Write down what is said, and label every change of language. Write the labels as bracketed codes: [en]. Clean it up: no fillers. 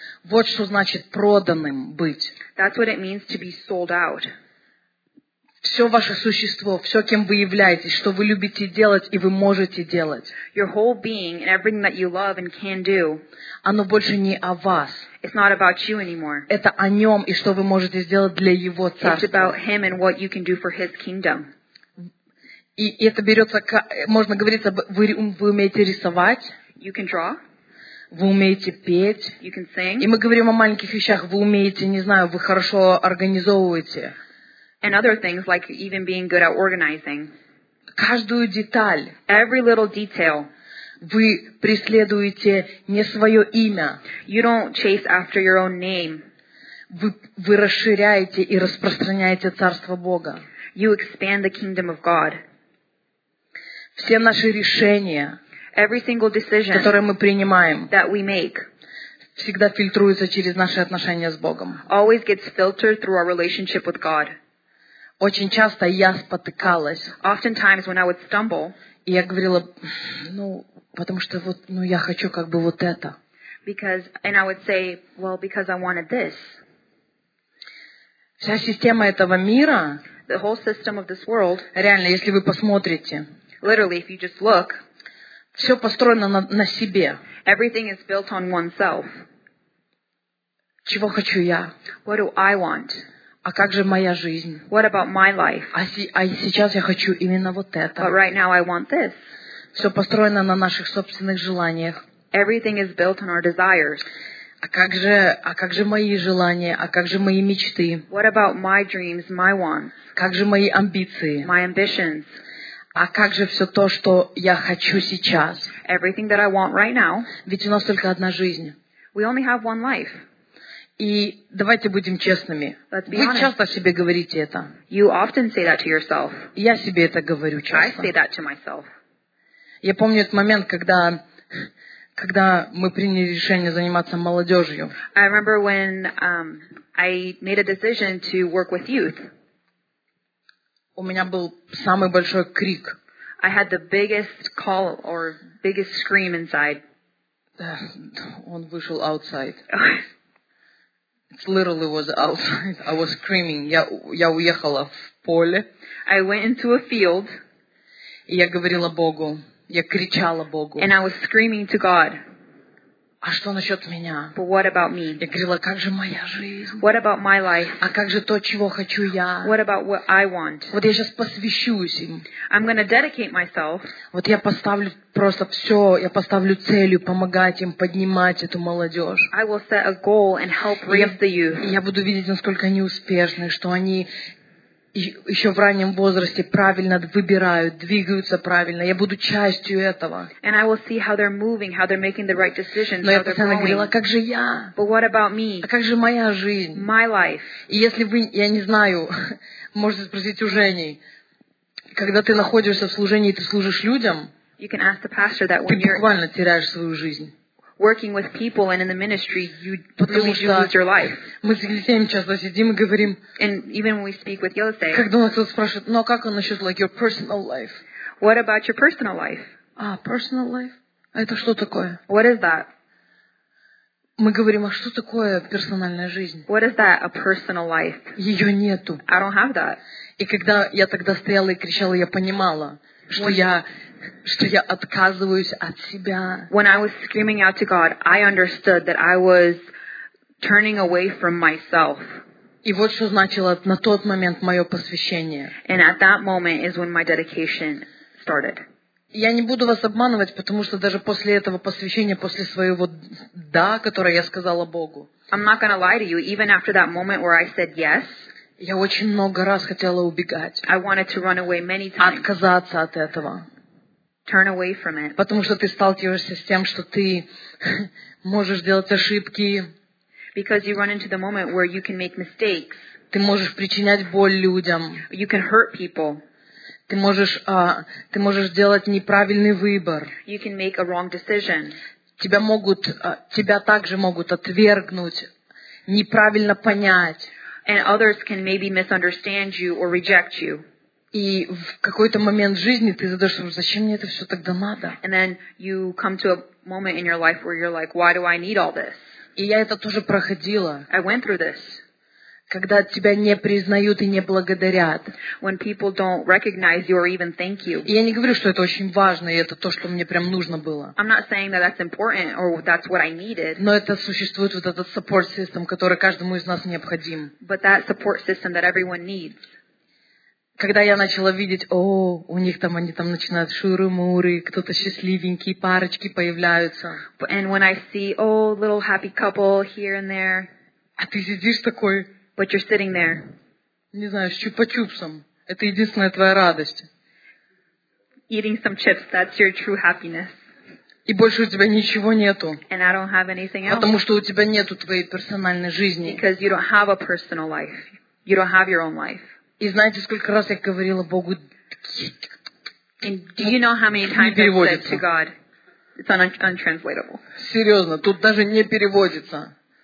[ru] Вот что значит проданным быть. [en] That's what it means to be sold out. [ru] Все ваше существо, все, кем вы являетесь, что вы любите делать и вы можете делать. [en] Your whole being and everything that you love and can do. [ru] Оно больше не о вас. [en] It's not about you anymore. [ru] Это о нем и что вы можете сделать для его царства. [en] It's about him and what you can do for his kingdom. [ru] И это берется, можно говорить, вы умеете рисовать. [en] You can draw. [ru] Вы умеете петь. [en] You can sing. [ru] И мы говорим о маленьких вещах. Вы умеете, не знаю, вы хорошо организовываете. [en] And other things, like even being good at organizing. [ru] Каждую деталь. [en] Every little detail. [ru] Вы преследуете не свое имя. [en] You don't chase after your own name. [ru] Вы расширяете и распространяете Царство Бога. [en] You expand the kingdom of God. [ru] Все наши решения, [en] every single decision, [ru] которые мы принимаем, [en] that we make, [ru] всегда фильтруются через наши отношения с Богом. [en] Always gets filtered through our relationship with God. [ru] Очень часто я спотыкалась. [en] Oftentimes when I would stumble, [ru] и я говорила, ну, потому что вот, ну, я хочу как бы вот это. [en] Because, and I would say, well, because I wanted this. [ru] Вся система этого мира, [en] the whole system of this world, [ru] реально, если вы посмотрите, [en] literally, if you just look, [ru] все построено на себе. [en] Everything is built on oneself. [ru] Чего хочу я? [en] What do I want? [ru] А как же моя жизнь? [en] What about my life? [ru] А сейчас я хочу именно вот это. [en] But right now I want this. [ru] Все построено на наших собственных желаниях. [en] Everything is built on our desires. [ru] А как же мои желания? А как же мои мечты? [en] What about my dreams, my wants? [ru] Как же мои амбиции? [en] My ambitions. [ru] А как же все то, что я хочу сейчас? [en] Everything that I want right now. [ru] Ведь у нас только одна жизнь. [en] We only have one life. [ru] И давайте будем честными. [en] Let's be [ru] honest. Вы часто себе говорите это. [en] You often say that to yourself. [ru] Я себе это говорю часто. [en] I say that to myself. [ru] Я помню этот момент, когда мы приняли решение заниматься молодежью. [en] I remember when I made a decision to work with youth. [ru] У меня был самый большой крик. [en] I had the biggest call or biggest scream inside. [ru] Он вышел outside. [en] It literally was outside. I was screaming. [ru] Я уехала в поле. [en] I went into a field. [ru] И я говорила Богу. Я кричала Богу. [en] And I was screaming to God. [ru] А что насчет меня? [en] But what about me? [ru] Я говорила, как же моя жизнь? [en] What about my life? [ru] А как же то, чего хочу я? [en] What about what I want? [ru] Вот я сейчас посвящусь им. [en] I'm gonna dedicate myself. [ru] Вот я поставлю просто все, я поставлю целью помогать им поднимать эту молодежь. [en] I will set a goal and help raise the youth. [ru] И я буду видеть, насколько они успешны, что они еще в раннем возрасте правильно выбирают, двигаются правильно. Я буду частью этого. [en] And I will see how they're moving, how they're making the right decisions. [ru] Но я постоянно говорила, как же я? [en] But what about me? [ru] А как же моя жизнь? [en] My life. [ru] И если вы, я не знаю, можете спросить у Жени, когда ты находишься в служении, ты служишь людям, [en] you can ask the pastor that [ru] when ты буквально теряешь свою жизнь. [en] Working with people and in the ministry, you really do lose your life. [ru] Мы с Елисеем часто сидим и говорим. [en] And even when we speak with Елисей, [ru] когда он кто-то спрашивает, ну а как он насчет [en] like your personal life? What about your personal life? [ru] А [en] personal life? [ru] А это что такое? [en] What is that? [ru] Мы говорим, а что такое персональная жизнь? [en] What is that, a personal life? [ru] Ее нету. [en] I don't have that. [ru] И когда я тогда стояла и кричала, я понимала, что я что я отказываюсь от себя. [en] When I was screaming out to God, I understood that I was turning away from myself. [ru] И вот что значило на тот момент мое посвящение. [en] And at that moment is when my dedication started. [ru] Я не буду вас обманывать, потому что даже после этого посвящения, после своего «да», которое я сказала Богу, [en] I'm not gonna lie to you, even after that moment where I said yes, [ru] я очень много раз хотела убегать. [en] I wanted to run away many times. [ru] Отказаться от этого. [en] turn away from it. [ru] Потому что ты сталкиваешься с тем, что ты можешь делать ошибки. [en] Because you run into the moment where you can make mistakes. [ru] Ты можешь причинять боль людям. [en] You can hurt people. [ru] Ты можешь делать неправильный выбор. [en] You can make a wrong decision. [ru] Тебя также могут отвергнуть, неправильно понять. [en] And others can maybe misunderstand you or reject you. [ru] И в какой-то момент жизни ты задаешься, зачем мне это все тогда надо? [en] And then you come to a moment in your life where you're like, why do I need all this? [ru] И я это тоже проходила. [en] I went through this. [ru] Когда тебя не признают и не благодарят. [en] When people don't recognize you or even thank you. [ru] И я не говорю, что это очень важно, и это то, что мне прям нужно было. [en] I'm not saying that that's important or that's what I needed. [ru] Но это существует вот этот support system, который каждому из нас необходим. [en] But that support system that everyone needs. [ru] Когда я начала видеть, о, у них там они там начинают шуры-муры, кто-то счастливенький, парочки появляются. [en] And when I see, little happy couple here and there. [ru] А ты сидишь такой. [en] But you're sitting there. [ru] Не знаю, с чупа-чупсом. Это единственная твоя радость. [en] Eating some chips, that's your true happiness. [ru] И больше у тебя ничего нету. [en] And I don't have anything else. [ru] Потому что у тебя нету твоей персональной жизни. [en] Because you don't have a personal life. You don't have your own life. [ru] И знаете, сколько раз я говорила Богу? [en] And do you know how many times I said to God, it's untranslatable. [ru] Серьезно, тут даже не переводится.